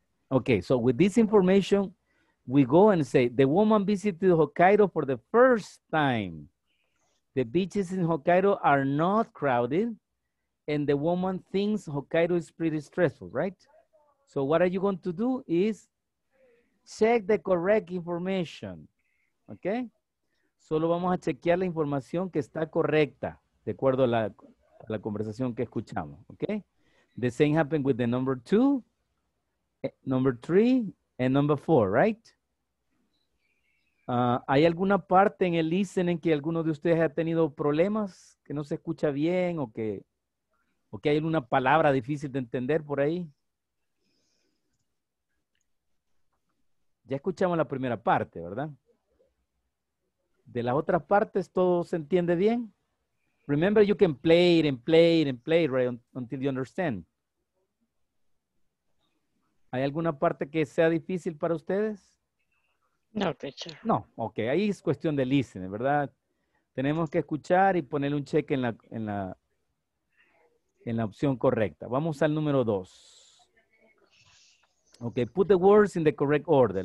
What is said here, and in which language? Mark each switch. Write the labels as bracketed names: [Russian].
[English] Okay, so with this information, we go and say, the woman visited Hokkaido for the first time. The beaches in Hokkaido are not crowded, and the woman thinks Hokkaido is pretty stressful, right? So what are you going to do is check the correct information, okay? [Spanish] Solo vamos a chequear la información que está correcta, de acuerdo a la conversación que escuchamos, okay? [English] The same happened with the number two, number three, and number four, right? [Spanish] ¿Hay alguna parte en el listening que alguno de ustedes ha tenido problemas, que no se escucha bien o que... ¿Ok? ¿Hay alguna palabra difícil de entender por ahí? Ya escuchamos la primera parte, ¿verdad? ¿De las otras partes todo se entiende bien? [English] Remember, you can play it and play it and play it, right, until you understand. [Spanish] ¿Hay alguna parte que sea difícil para ustedes? [English] No, teacher. [Spanish] No, ok. Ahí es cuestión de listening, ¿verdad? Tenemos que escuchar y ponerle un check en la opción correcta. Vamos al número dos. [English] Okay, put the words in the correct order.